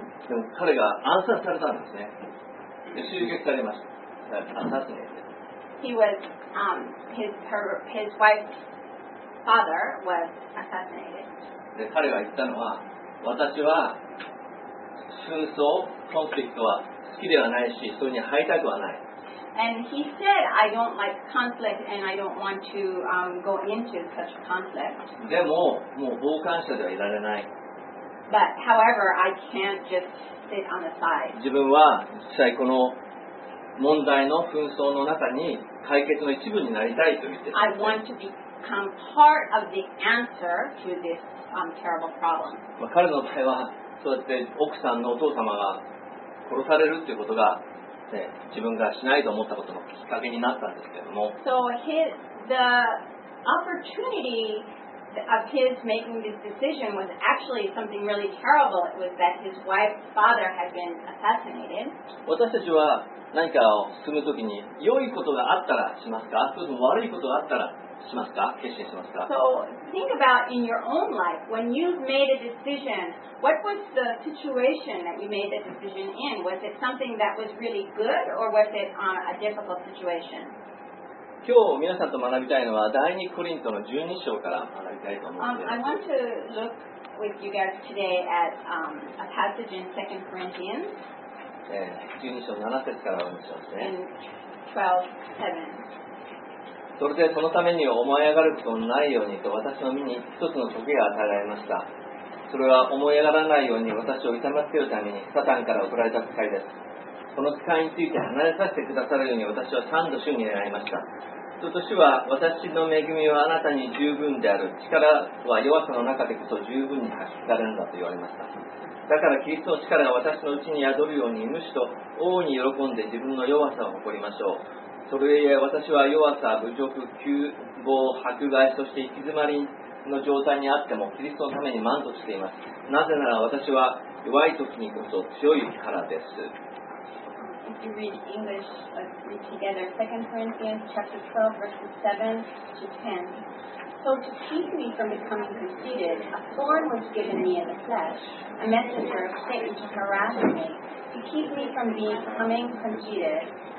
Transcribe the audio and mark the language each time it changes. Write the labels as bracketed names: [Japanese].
[English] His wife's father was assassinated. And he said, I don't like conflict and I don't want to go into such conflict. But however, I can't just sit on the side. [Japanese] 自分は実際この問題の紛争の中に解決の一部になりたいと言って。 [English] I want to become part of the answer to this terrible problem. [Japanese] 彼の場合は、そうやって奥さんのお父様が殺されるっていうことが、自分がしないと思ったことのきっかけになったんですけれども。 [English] So his, the opportunity of his making this decision was actually something really terrible. It was that his wife's father had been assassinated. [Japanese] 私たちは何かを進むときに良いことがあったらしますか、それとも悪いことがあったらしますか、決心しますか。 [English] So think about in your own life when you've made a decision. What was the situation that you made the decision in? Was it something that was really good or was it a difficult situation? [Japanese] 今日皆さんと学びたいのは第2コリントの12章から学びたいと思います。 [English] I want to look with you guys today at a passage in 2 Corinthians. [Japanese] 12章7節からお見せしますね。 [English] 12:7 [Japanese] それでそのために思い上がることのないようにと私の身に一つの棘が与えられました。それは思い上がらないように私を痛めつけるためにサタンから送られた使いです。その使いについて離れさせてくださるように私は3度主に願いました。すると主は私の恵みはあなたに十分である、力は弱さの中でこそ十分に発揮されるんだと言われました。だからキリストの力が私のうちに宿るようにむしろ王に喜んで自分の弱さを誇りましょう。それゆえ私は弱さ、侮辱、窮乏、迫害、そして行き詰まりの状態にあってもキリストのために満足しています。なぜなら私は弱い時にこそ強いからです。 [English] If you read English, let's read together. 2 Corinthians chapter 12, verses 7 to 10. So to keep me from becoming conceited, a thorn was given me in the flesh, a messenger of Satan to harass me, to keep me from becoming conceited.